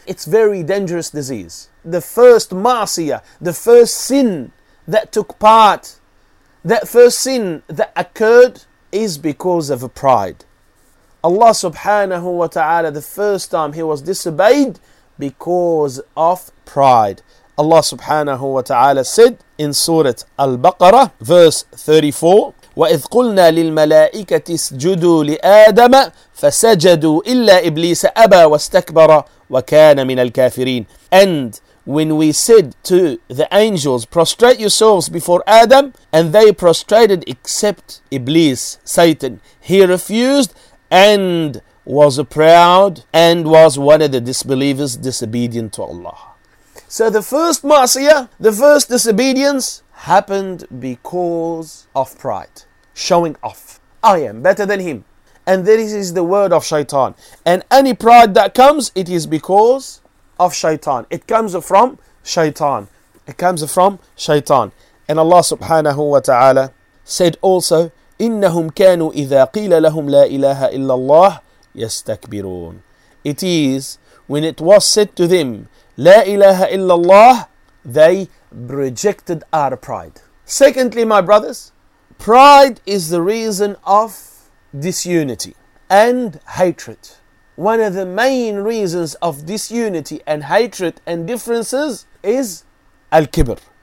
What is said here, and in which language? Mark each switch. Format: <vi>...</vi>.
<en>It's very dangerous disease. The first ma'asiyah, the first sin that took part, that first sin that occurred is because of a pride. Allah subhanahu wa ta'ala, the first time he was disobeyed because of pride. Allah subhanahu wa ta'ala said in Surah Al-Baqarah, verse 34,</en> <ar>وَإِذْ قُلْنَا لِلْمَلَائِكَةِ اسْجُدُوا لِآدَمَ فَسَجَدُوا إِلَّا إِبْلِيسَ أَبَى وَاسْتَكْبَرَ وَكَانَ مِنَ الْكَافِرِينَ.</ar> <en>And when we said to the angels, prostrate yourselves before Adam, and they prostrated except Iblis, Satan. He refused and was proud and was one of the disbelievers, disobedient to Allah. So the first ma'asiyah, the first disobedience happened because of pride, showing off. I am better than him. And this is the word of shaitan. And any pride that comes, it is because of shaitan. It comes from shaitan. It comes from shaitan. And Allah subhanahu wa ta'ala said also,</en> <ar>إِنَّهُمْ كَانُوا إِذَا قِيلَ لَهُمْ لَا إِلَهَ إِلَّا اللَّهِ يَسْتَكْبِرُونَ.</ar> <en>It is, when it was said to them,</en> <ar>لا إله إلا الله,</ar> <en>they rejected our pride. Secondly, my brothers, pride is the reason of disunity and hatred. One of the main reasons of disunity and hatred and differences is al-kibr.</en>